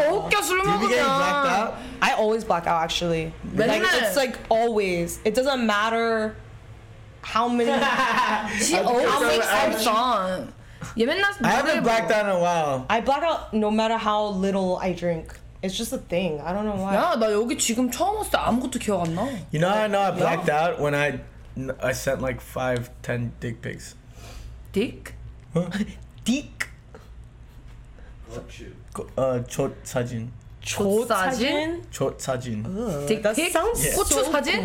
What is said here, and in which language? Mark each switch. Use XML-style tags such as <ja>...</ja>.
<en>you be getting blacked out. I always black out, actually. Like, it's like always. It doesn't matter how many. She always comes on. I haven't blacked out in a while. I black out no matter how little I drink. It's just a thing. I don't know why.</en> <ko>Yeah, 나 여기 지금 처음 왔을 때 아무것도 기억 안 나.</ko> <en>You know how I know I blacked out when I sent like 5-10 dick pics. Dick? Huh? Dick? What you?</en> <ko>좋 사진. 좋 사진? 좋 사진.</ko> <en>Dick pic? That sounds so gross.</en> <ko>사진?</ko>